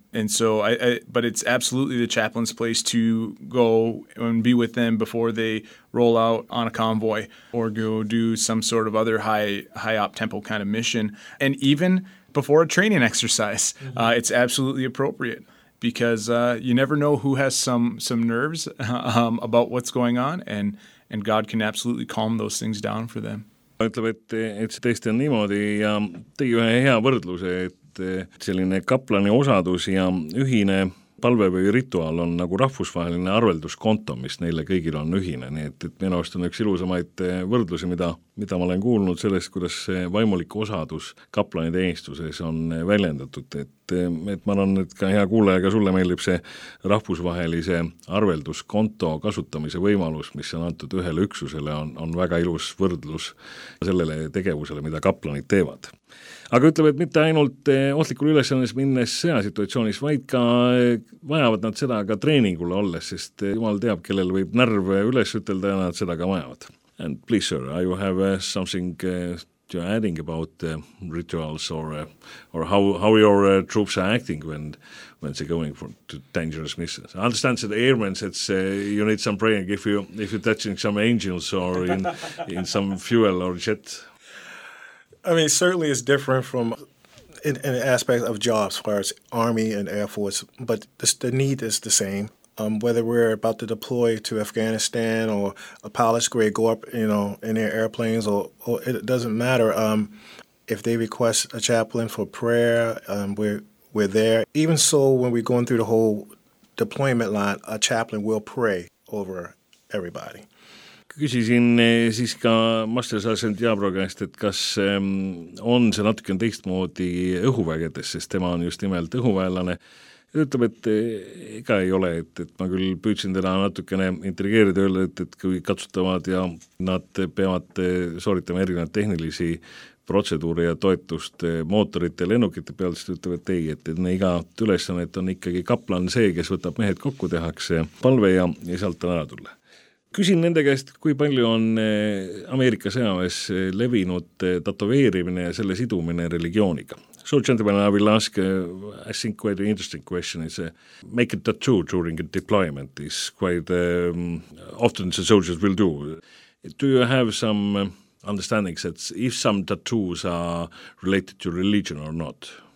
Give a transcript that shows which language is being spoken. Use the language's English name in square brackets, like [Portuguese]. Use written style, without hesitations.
[English] And so but it's absolutely the chaplain's place to go and be with them before they roll out on a convoy or go do some sort of other high op tempo kind of mission. And even before a training exercise, mm-hmm. It's absolutely appropriate. Because you never know who has some nerves about what's going on, and God can absolutely calm those things down for them. [Estonian] Ütleb, et see teist on niimoodi ja tegi ühe hea võrdluse, et selline kaplani osadus ja ühine palve või rituaal on nagu rahvusvaheline arvelduskonto, mis neile kõigil on ühine. Nii et minu arust on üks ilusamaid võrdlusi, mida ma olen kuulnud sellest, kuidas see vaimulik osadus kaplani teenistuses on väljendatud. Et ma arvan, et ka hea kuulaja, ka sulle meeldib see rahvusvahelise arvelduskonto kasutamise võimalus, mis on antud ühele üksusele, on väga ilus võrdlus sellele tegevusele, mida kaplanid teevad. Aga ütleb, et mitte ainult ohtlikul ülesannes minnes sõjasituatsioonis, vaid ka vajavad nad seda ka treeningul olles, sest jumal teab, kellel võib närv üles ütelda ja nad seda ka vajavad. [English] And please, sir, I have something you're adding about rituals or how your troops are acting when they're going to dangerous missions. I understand that the airmen said you need some praying if you're touching some angels or in some fuel or jet. I mean, certainly it's different from in aspect of jobs, as far as Army and Air Force, but the need is the same. Whether we're about to deploy to Afghanistan or a pilot's grade, go up, you know, in their airplanes, or it doesn't matter. If they request a chaplain for prayer, we're there. Even so, when we're going through the whole deployment line, a chaplain will pray over everybody. [Estonian] Küsisin siis ka Master Sergeant Jaabro käest, et kas on see natuke teistmoodi õhuvägedes, sest tema on just nimelt õhuväelane. Ja ütleb, et ega ei ole, et ma küll püüdsin teda natukene intrigeerida öelda, et kui katsutavad ja nad peavad sooritama erinevad tehnilisi protseduuri ja toetust mootorite ja lennukite peal, siis ütleb, et ei, et ne igat ülesanne, et on ikkagi kaplan see, kes võtab mehed kokku, tehakse palve ja sealt on ära tulla. Küsin nende käest, kui palju on Ameerika sõjaväes levinud tatoveerimine ja selle sidumine religiooniga. [English] So, gentlemen, I will ask, I think, quite an interesting question. It's make a tattoo during a deployment is quite often the soldiers will do. Do you have some understandings that if some tattoos are related to religion or not?